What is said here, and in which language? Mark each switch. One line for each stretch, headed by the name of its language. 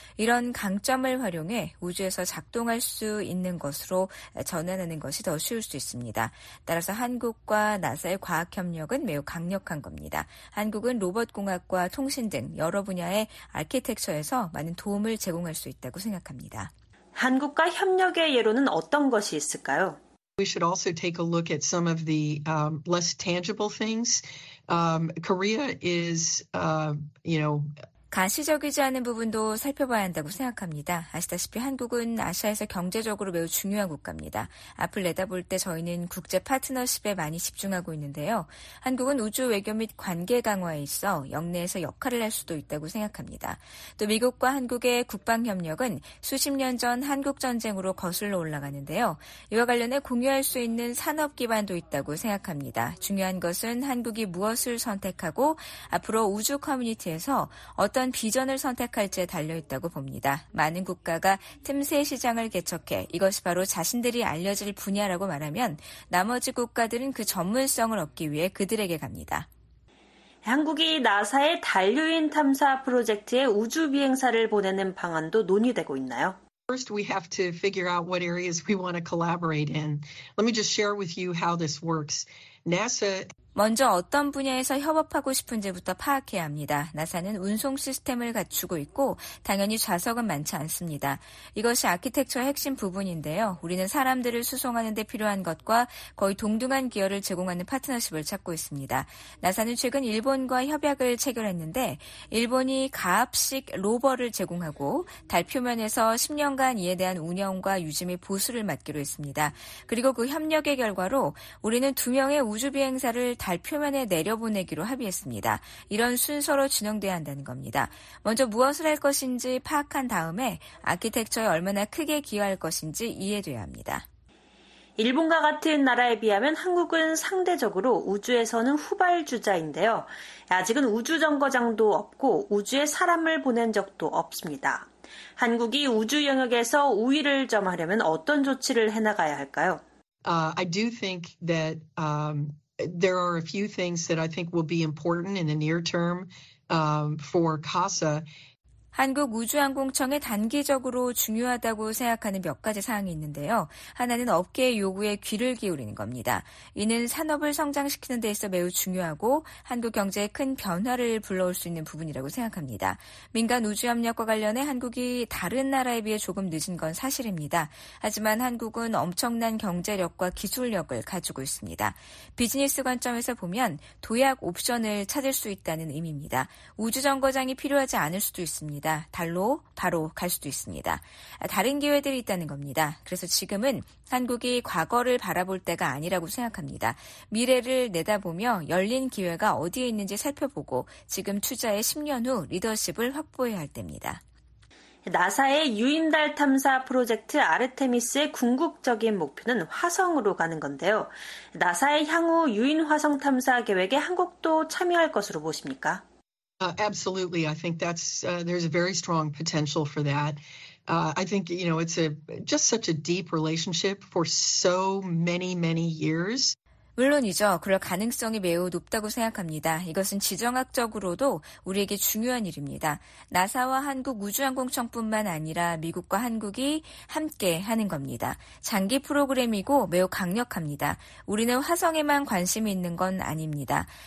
Korean: 이런 강점을 활용해 우주에서 작동할 수 있는 것으로 전환하는 것이 더 쉬울 수 있습니다. 따라서 한국과 나사의 과학 협력은 매우 강력한 겁니다. 한국은 로봇공학과 통신 등 여러 분야의 아키텍처에서 많은 도움을 제공할 수 있다고 생각합니다. 한국과 협력의 예로는 어떤 것이 있을까요?
English: We should also take a look at some of the less tangible things. Korea is, you know,
Korean: 가시적이지 않은 부분도 살펴봐야 한다고 생각합니다. 아시다시피 한국은 아시아에서 경제적으로 매우 중요한 국가입니다. 앞을 내다볼 때 저희는 국제 파트너십에 많이 집중하고 있는데요. 한국은 우주 외교 및 관계 강화에 있어 역내에서 역할을 할 수도 있다고 생각합니다. 또 미국과 한국의 국방 협력은 수십 년 전 한국 전쟁으로 거슬러 올라가는데요. 이와 관련해 공유할 수 있는 산업 기반도 있다고 생각합니다. 중요한 것은 한국이 무엇을 선택하고 앞으로 우주 커뮤니티에서 어떤 비전을 선택할지에 달려있다고 봅니다. 많은 국가가 틈새 시장을 개척해 이것이 바로 자신들이 알려질 분야라고 말하면 나머지 국가들은 그 전문성을 얻기 위해 그들에게 갑니다. 한국이 나사의 달 유인 탐사 프로젝트에 우주 비행사를 보내는 방안도 논의되고 있나요?
English: First, we have to figure out what areas we want to collaborate in. Let me just share with you how this works. NASA.
Korean: 먼저 어떤 분야에서 협업하고 싶은지부터 파악해야 합니다. 나사는 운송 시스템을 갖추고 있고 당연히 좌석은 많지 않습니다. 이것이 아키텍처의 핵심 부분인데요. 우리는 사람들을 수송하는 데 필요한 것과 거의 동등한 기여를 제공하는 파트너십을 찾고 있습니다. 나사는 최근 일본과 협약을 체결했는데 일본이 가압식 로버를 제공하고 달 표면에서 10년간 이에 대한 운영과 유지 및 보수를 맡기로 했습니다. 그리고 그 협력의 결과로 우리는 두 명의 우주비행사를 달 표면에 내려보내기로 합의했습니다. 이런 순서로 진행돼야 한다는 겁니다. 먼저 무엇을 할 것인지 파악한 다음에 아키텍처에 얼마나 크게 기여할 것인지 이해돼야 합니다. 일본과 같은 나라에 비하면 한국은 상대적으로 우주에서는 후발주자인데요. 아직은 우주정거장도 없고 우주에 사람을 보낸 적도 없습니다. 한국이 우주 영역에서 우위를 점하려면 어떤 조치를 해나가야 할까요?
English: I do think that there are a few things that I think will be important in the near term for CASA.
Korean: 한국 우주항공청에 단기적으로 중요하다고 생각하는 몇 가지 사항이 있는데요. 하나는 업계의 요구에 귀를 기울이는 겁니다. 이는 산업을 성장시키는 데 있어 매우 중요하고 한국 경제에 큰 변화를 불러올 수 있는 부분이라고 생각합니다. 민간 우주협력과 관련해 한국이 다른 나라에 비해 조금 늦은 건 사실입니다. 하지만 한국은 엄청난 경제력과 기술력을 가지고 있습니다. 비즈니스 관점에서 보면 도약 옵션을 찾을 수 있다는 의미입니다. 우주정거장이 필요하지 않을 수도 있습니다. 달로 바로 갈 수도 있습니다. 다른 기회들이 있다는 겁니다. 그래서 지금은 한국이 과거를 바라볼 때가 아니라고 생각합니다. 미래를 내다보며 열린 기회가 어디에 있는지 살펴보고 지금 투자의 10년 후 리더십을 확보해야 할 때입니다. 나사의 유인달 탐사 프로젝트 아르테미스의 궁극적인 목표는 화성으로 가는 건데요. 나사의 향후 유인 화성 탐사 계획에 한국도 참여할 것으로 보십니까?
English: Absolutely. I think there's a very strong potential for that. I think, you know, it's just such a deep relationship for so many, many years.
Korean: 물론이죠. 그럴 가능성이 매우 높다고 생각합니다. 이것은 지정학적으로도 우리에게 중요한 일입니다. 나사와 한국 우주항공청뿐만 아니라 미국과 한국이 함께 하는 겁니다. 장기 프로그램이고 매우 강력합니다. 우리는 화성에만 관심이 있는 건 아닙니다.